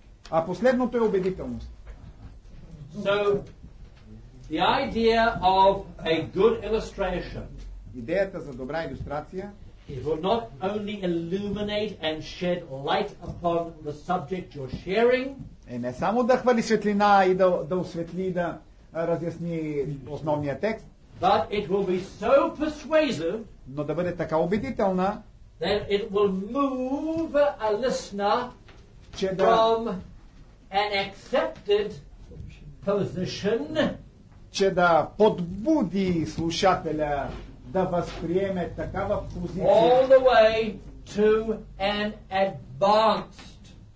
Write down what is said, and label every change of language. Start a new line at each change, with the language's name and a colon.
Bulgarian: А последното е убедителност.
English: So, the idea of a good illustration.
Bulgarian: Идеята за добра илюстрация.
English: It will not only illuminate and shed light upon the subject you're sharing.
Bulgarian: Е не само да хвали светлина и да осветли, да разясни основния текст.
English: But it will be so persuasive.
Bulgarian: Но да бъде така убедителна.
English: That it will move a listener. From an accepted position,
Bulgarian: че да подбуди слушателя да възприеме такава позиция,
English: all the way to an advanced